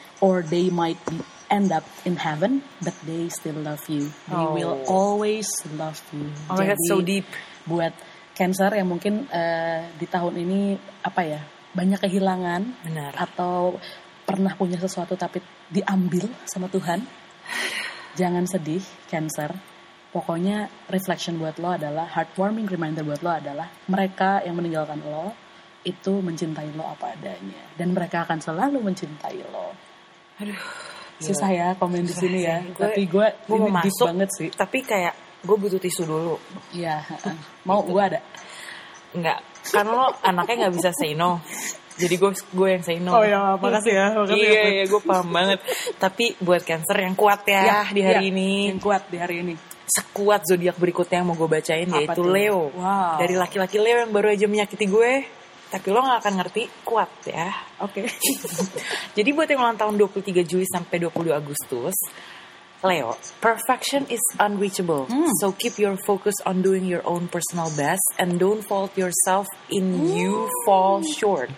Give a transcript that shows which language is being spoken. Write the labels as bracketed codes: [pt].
[en] Or they might be end up in heaven, but they still love you. They will always love you. Oh, jadi, that's so deep. [id] Buat Cancer yang mungkin di tahun ini apa ya, banyak kehilangan. Benar. Atau pernah punya sesuatu tapi diambil sama Tuhan. Jangan sedih, Cancer. Pokoknya reflection buat lo adalah, heartwarming reminder buat lo adalah, mereka yang meninggalkan lo itu mencintai lo apa adanya, dan mereka akan selalu mencintai lo. Aduh. Susah ya komen di sini ya, gue, tapi gue mau masuk banget sih, tapi kayak gue butuh tisu dulu. Iya, mau gue ada nggak, kan lo anaknya nggak bisa [en] say no, [id] jadi gue yang say no. Oh ya, makasih ya, makasih. Iya iya, gue paham banget. Tapi buat Cancer yang kuat ya, ya di hari ya, ini yang kuat di hari ini, sekuat zodiak berikutnya yang mau gue bacain. Apa yaitu dia? Leo. Wow. Dari laki-laki Leo yang baru aja menyakiti gue. Tapi lo gak akan ngerti, kuat ya. Oke. Jadi buat yang ulang tahun 23 Juli sampai 22 Agustus, Leo, [en] perfection is unreachable. So keep your focus on doing your own personal best and don't fault yourself in you fall short.